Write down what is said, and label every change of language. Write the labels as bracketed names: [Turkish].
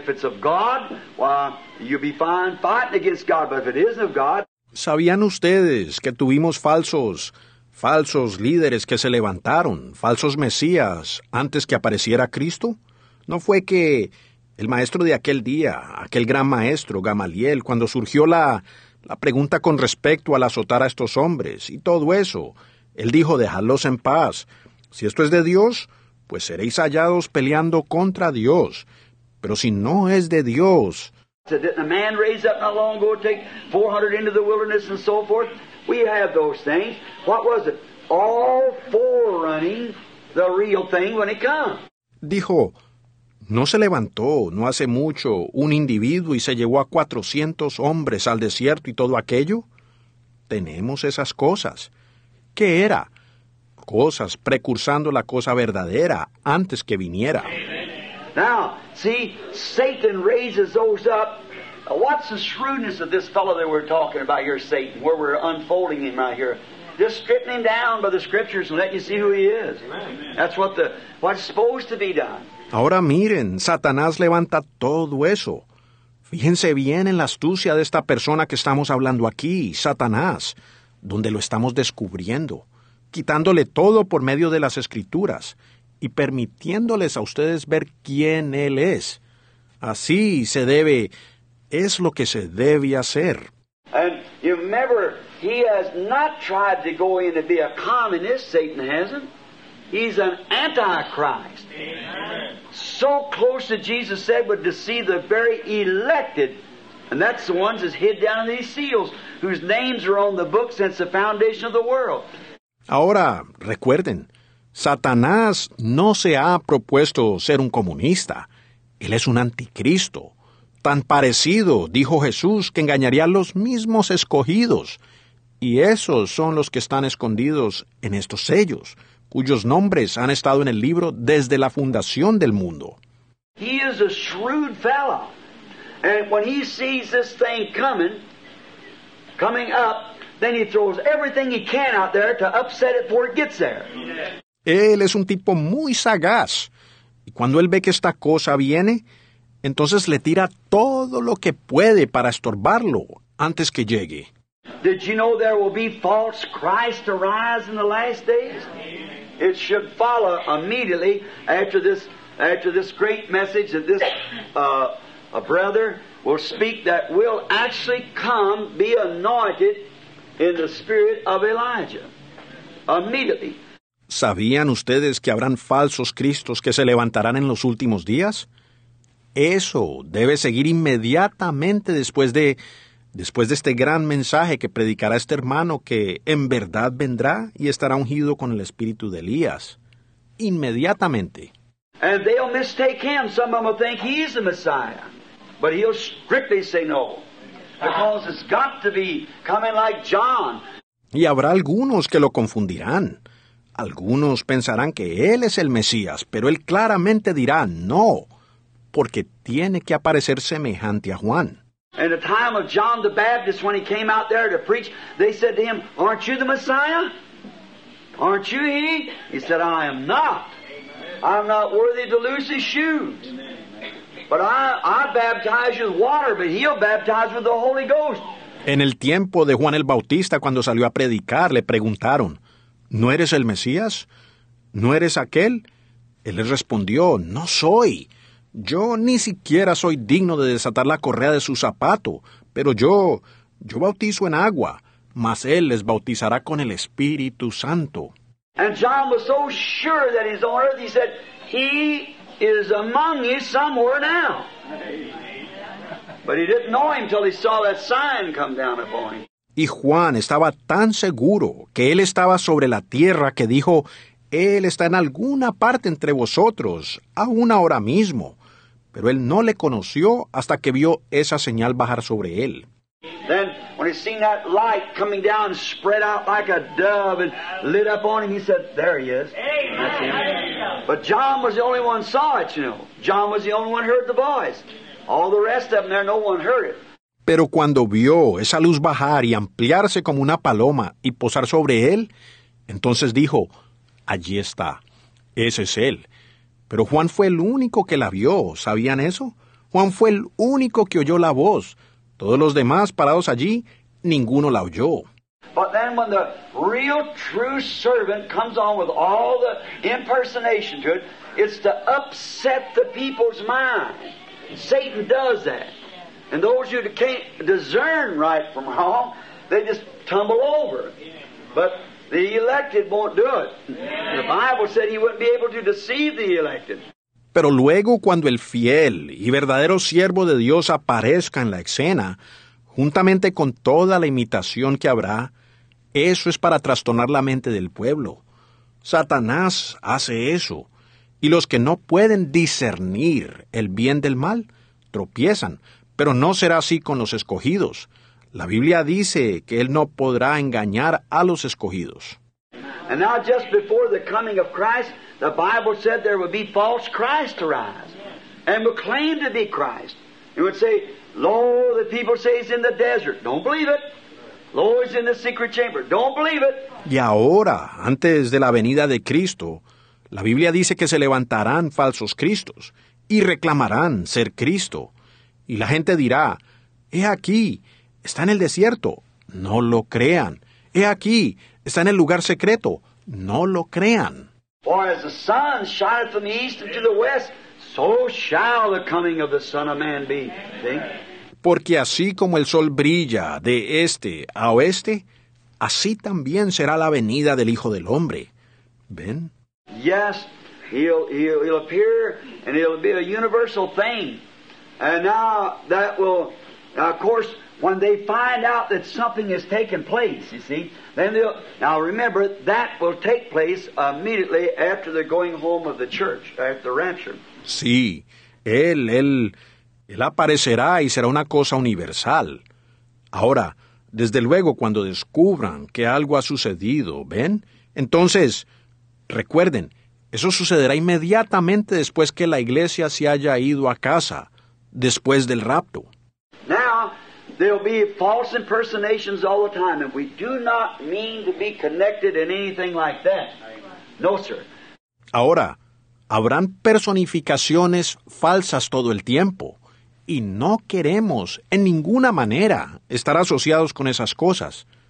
[English] If it's of God, well, you'll be fine fighting against God. But if it isn't of God... [Spanish] ¿Sabían ustedes que tuvimos falsos líderes que se levantaron, falsos mesías, antes que apareciera Cristo? ¿No fue que el maestro de aquel día, aquel gran maestro, Gamaliel, cuando surgió la pregunta con respecto al azotar a estos hombres y todo eso, él dijo, dejadlos en paz. Si esto es de Dios, pues seréis hallados peleando contra Dios. Pero si no es de Dios... [English] Didn't a man raise up not long ago to take 400 into the wilderness and so forth? We have those things. What was it? All forerunning the real thing when it comes. [Spanish] Dijo, ¿no se levantó no hace mucho un individuo y se llevó a 400 hombres al desierto y todo aquello? Tenemos esas cosas. ¿Qué era? Cosas precursando la cosa verdadera antes que viniera. [English] Now, see, Satan raises those up. What's the shrewdness of this fellow that we're talking about here, Satan, where we're unfolding him right here? Just stripping him down by the scriptures and letting you see who he is. Amen. That's what's supposed to be done. [Spanish] Ahora miren, Satanás levanta todo eso. Fíjense bien en la astucia de esta persona que estamos hablando aquí, Satanás, donde lo estamos descubriendo, quitándole todo por medio de las Escrituras y permitiéndoles a ustedes ver quién él es. Así se debe, es lo que se debe hacer. [English] And you remember, he has not tried to go in to be a communist, Satan hasn't. He's an antichrist. Amen. So close to Jesus said would deceive the very elected. And that's the ones that's hid down in these seals, whose names are on the book since the foundation of the world. [Spanish] Ahora, recuerden, Satanás no se ha propuesto ser un comunista. Él es un anticristo. Tan parecido, dijo Jesús, que engañaría a los mismos escogidos. Y esos son los que están escondidos en estos sellos, cuyos nombres han estado en el libro desde la fundación del mundo. [English] He is a shrewd fellow. And when he sees this thing coming up, then he throws everything he can out there to upset it before it gets there. [Spanish] Él es un tipo muy sagaz. Y cuando él ve que esta cosa viene, entonces le tira todo lo que puede para estorbarlo antes que llegue. [English] Did you know there will be false Christ arise in the last days? It should follow immediately after this great message that this a brother will speak that will actually come be anointed in the spirit of Elijah. Immediately. [Spanish] ¿Sabían ustedes que habrán falsos cristos que se levantarán en los últimos días? Eso debe seguir inmediatamente después de este gran mensaje que predicará este hermano que en verdad vendrá y estará ungido con el espíritu de Elías. Inmediatamente. [English] And they'll mistake him. Some of them will think he's the Messiah. But he'll strictly say no. Because it's got to be coming like John. [Spanish] Y habrá algunos que lo confundirán. Algunos pensarán que él es el Mesías, pero él claramente dirá no, porque tiene que aparecer semejante a Juan. [English] In the time of John the Baptist, when he came out there to preach, they said to him, "Aren't you the Messiah? Aren't you he?" He said, "I am not. I'm not worthy to loose his shoes. But I baptize you with water, but he'll baptize with the Holy Ghost." [Spanish] En el tiempo de Juan el Bautista, cuando salió a predicar, le preguntaron, ¿no eres el Mesías? ¿No eres aquel? Él les respondió, no soy. Yo ni siquiera soy digno de desatar la correa de su zapato, pero yo bautizo en agua, mas él les bautizará con el Espíritu Santo. [English] And John was so sure that he's on earth, he said, he is among you somewhere now. But he didn't know him until he saw that sign come down upon him. [Spanish] Y Juan estaba tan seguro que él estaba sobre la tierra que dijo, él está en alguna parte entre vosotros, aún ahora mismo. Pero él no le conoció hasta que vio esa señal bajar sobre él. [English] Then, when he seen that light coming down, spread out like a dove, and lit up on him, he said, there he is. That's him. But John was the only one saw it, you know. John was the only one heard the voice. All the rest of them there, no one heard it. [Spanish] Pero cuando vio esa luz bajar y ampliarse como una paloma y posar sobre él, entonces dijo, allí está, ese es él. Pero Juan fue el único que la vio, ¿sabían eso? Juan fue el único que oyó la voz. Todos los demás parados allí, ninguno la oyó. [English] But then when the real true servant comes on with all the impersonation to it, it's to upset the people's mind. Satan does that. And those who can't discern right from wrong, they just tumble over. But the elected won't do it. The Bible said he wouldn't be able to deceive the elected. [Spanish] Pero luego, cuando el fiel y verdadero siervo de Dios aparezca en la escena, juntamente con toda la imitación que habrá, eso es para trastornar la mente del pueblo. Satanás hace eso. Y los que no pueden discernir el bien del mal, tropiezan. Pero no será así con los escogidos. La Biblia dice que él no podrá engañar a los escogidos. [English] And now just before the coming of Christ, the Bible said there would be false Christ to rise and would claim to be Christ. He would say, lo, the people say he's in the desert. Don't believe it. Lo, he's in the secret chamber. Don't believe it. [Spanish] Y ahora, antes de la venida de Cristo, la Biblia dice que se levantarán falsos Cristos y reclamarán ser Cristo. Y la gente dirá, he aquí, está en el desierto, no lo crean. He aquí, está en el lugar secreto, no lo crean. [English] For as the sun shineth from the east unto the west, so shall the coming of the Son of Man be. See? [Spanish] Porque así como el sol brilla de este a oeste, así también será la venida del Hijo del Hombre. ¿Ven? [English] Yes, he'll appear and it'll be a universal thing. And now that will, of course, when they find out that something has taken place, you see, then they'll, now remember, that will take place immediately after the going home of the church, after the rapture. [Spanish] Sí, él aparecerá y será una cosa universal. Ahora, desde luego, cuando descubran que algo ha sucedido, ¿ven? Entonces, recuerden, eso sucederá inmediatamente después que la iglesia se haya ido a casa. Después del rapto. [English] Now, there'll be false impersonations all the time, and we do not mean to be connected in anything like that. No, sir. [Spanish] Ahora, habrán personificaciones falsas todo el tiempo, y no queremos en ninguna manera estar asociados con esas cosas.